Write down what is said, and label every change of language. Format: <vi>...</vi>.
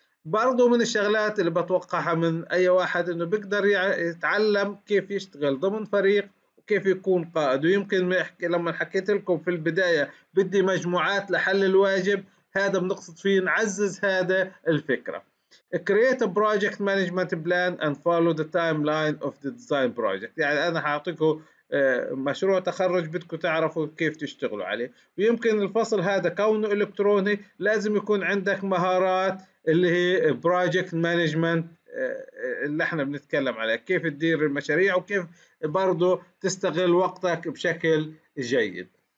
<ar>برضو من الشغلات اللي بتوقعها من اي واحد انه بيقدر يتعلم كيف يشتغل ضمن فريق وكيف يكون قائد. ويمكن لما حكيت لكم في البداية بدي مجموعات لحل الواجب، هذا بنقصد فيه نعزز هذا الفكرة.</ar> <en>Create a project management plan and follow the timeline of the design project.</en> <ar>يعني انا حاعطيكم مشروع تخرج بدكم تعرفوا كيف تشتغلوا عليه. ويمكن الفصل هذا كونه الكتروني لازم يكون عندك مهارات اللي هي project management اللي احنا بنتكلم عليه، كيف تدير المشاريع وكيف برضه تستغل وقتك بشكل جيد.</ar>